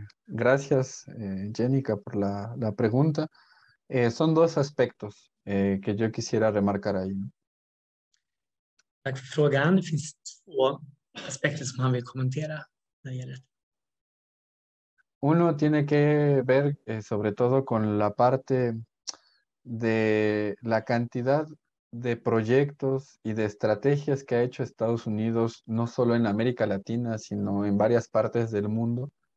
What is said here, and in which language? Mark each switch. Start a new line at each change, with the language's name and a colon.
Spanish: Gracias, Jenica, por la pregunta. Son dos aspectos que yo quisiera remarcar ahí.
Swedish: Tack för frågan. Finns två aspekter som han vill kommentera när det gäller.
Spanish: Uno tiene que ver sobre todo con la parte de la cantidad de proyectos y de estrategias que ha hecho Estados Unidos, no solo en América Latina, sino en varias partes del mundo.